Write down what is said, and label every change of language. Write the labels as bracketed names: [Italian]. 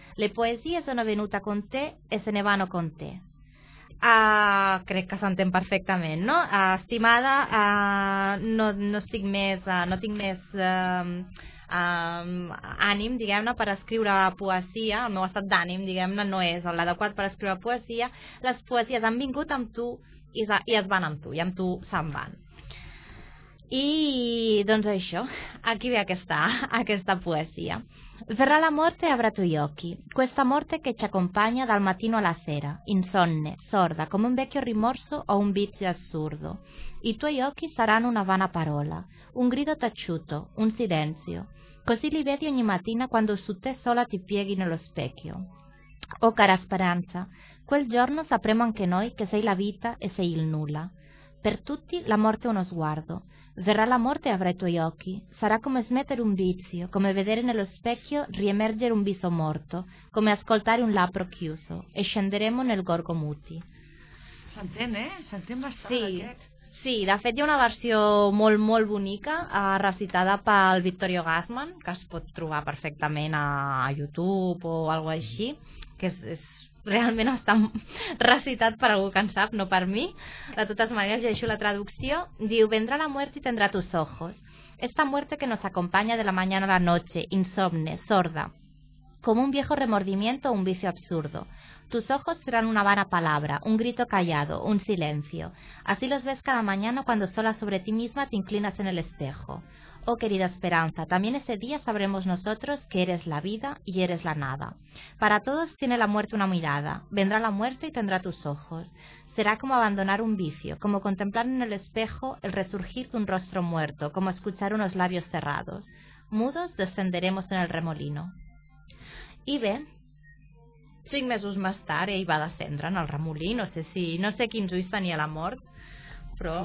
[Italian] Le poesie sono venute con te e se ne vanno con te. [Catalan] Crec que s'entén perfectament, no? Estimada, no tinc més ànim, diguem-ne, per escriure poesia. El meu estat d'ànim, diguem-ne, no és l'adequat per escriure poesia. Les poesies han vingut amb tu i es van amb tu se'n van. I doncs això, aquí ve aquesta poesia. [Italian] Verrà la morte e avrà tuoi occhi, questa morte che ci accompagna dal mattino alla sera, insonne, sorda, come un vecchio rimorso o un vizio assurdo. I tuoi occhi saranno una vana parola, un grido tacciuto, un silenzio. Così li vedi ogni mattina quando su te sola ti pieghi nello specchio. Oh cara speranza, quel giorno sapremo anche noi che sei la vita e sei il nulla. Per tutti la morte è uno sguardo. Verrà la morte e avrà i tuoi occhi. Sarà come smettere un vizio, come vedere nello specchio riemergere un viso morto, come ascoltare un labbro chiuso. E scenderemo nel gorgo muti. [Catalan] S'entén, eh? S'entén bastant, sì. Aquest. Sí, de fet hi ha una versió molt, molt bonica, recitada pel Vittorio Gassman, que es pot trobar perfectament a YouTube o algo així, que és realment està recitat per algú que en sap, no per mi. De totes maneres, llegeixo la traducció. Diu, [Spanish] vendrá la muerte y tendrá tus ojos. Esta muerte que nos acompaña de la mañana a la noche, insomne, sorda, como un viejo remordimiento o un vicio absurdo. Tus ojos serán una vana palabra, un grito callado, un silencio. Así los ves cada mañana cuando sola sobre ti misma te inclinas en el espejo. Oh, querida esperanza, también ese día sabremos nosotros que eres la vida y eres la nada. Para todos tiene la muerte una mirada. Vendrá la muerte y tendrá tus ojos. Será como abandonar un vicio, como contemplar en el espejo el resurgir de un rostro muerto, como escuchar unos labios cerrados. Mudos descenderemos en el remolino. [Catalan] I bé, 5 mesos més tard ell va descendre en el remolí, no sé si, no sé quins ulls tenia la mort, però...